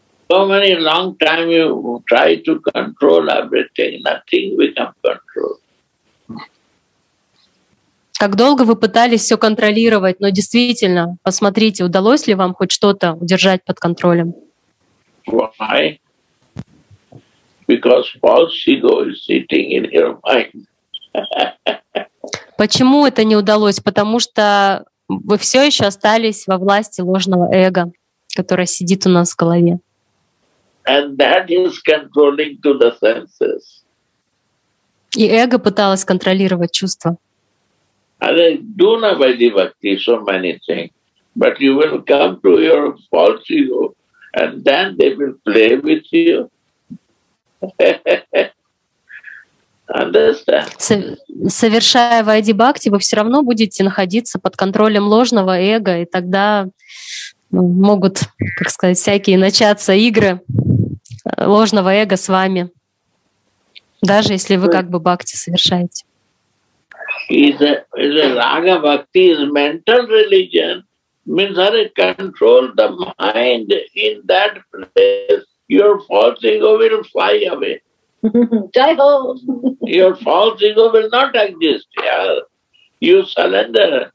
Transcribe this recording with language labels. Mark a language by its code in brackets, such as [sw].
[en] So many long time you try to control everything, nothing we can control. [ru] Как долго вы пытались все контролировать, но действительно, посмотрите, удалось ли вам хоть что-то удержать под контролем? [en] Why? Because false ego is sitting in your mind. [ru] Почему это не удалось? Потому что вы все еще остались во власти ложного эго, которое сидит у нас в голове. [en] And that is controlling to the senses. [ru] И эго пыталось контролировать чувства. [en] And I do not believe bhakti so many things, but you will come to your false ego, and then they will play with you. Understand? [ru] Совершая вайди бхакти, вы все равно будете находиться под контролем ложного эго, и тогда могут, как сказать, всякие начаться игры ложного эго с вами, даже если вы как бы бхакти совершаете. [en] Is a raga bhakti is mental religion, means how to control the mind in that place. Your false ego will fly away. [hi] Jai ho! [en] Your false ego will not exist. Yeah. You surrender.